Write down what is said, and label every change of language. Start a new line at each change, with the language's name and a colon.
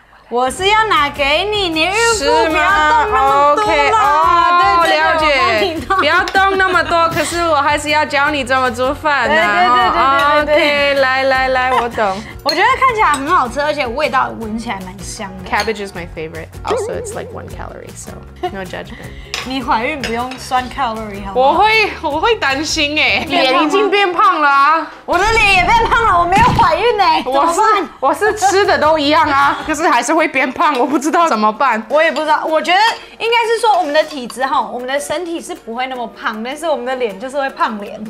Chinese: 我是要拿给你，你孕妇不要动那么多啦。 Oh, 对，了解。不要动那么多，可是我还是要教你怎么做饭呢、啊。对。 OK， 来来来，我懂。我觉得看起来很好吃，而且味道闻起来蛮香的。
English: Cabbage is my favorite. Also, it's like one calorie, so no judgment.
Chinese: 你怀孕不用算 calorie 好吗？我会担心哎、欸，脸已经变胖了啊。我的脸也变胖了，我没有怀孕呢、欸。我是吃的都一样啊，可是还是会变胖，我不知道怎么办。我也不知道，我觉得应该是说我们的体质哈，我们的身体是不会那么胖，但是我们的脸就是会胖脸，